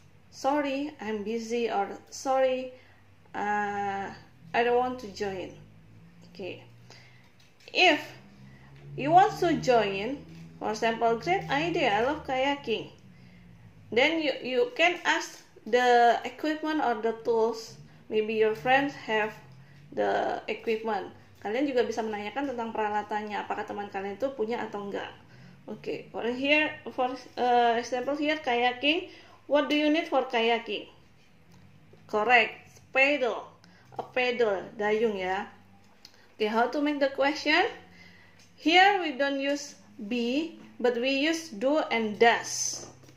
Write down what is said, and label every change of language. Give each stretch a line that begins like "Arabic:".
English: Sorry, I'm busy, or sorry, I don't want to join. Okay. If you want to join, for example, great idea, I love kayaking. Then you can ask the equipment or the tools. Maybe your friends have the equipment.
Indonesian: Kalian juga bisa menanyakan tentang peralatannya, apakah teman kalian itu punya atau enggak.
English: Okay, for example here, kayaking, what do you need for kayaking? Correct, a paddle,
Indonesian: dayung ya.
English: Okay, how to make the question? Here we don't use be, but we use do and does.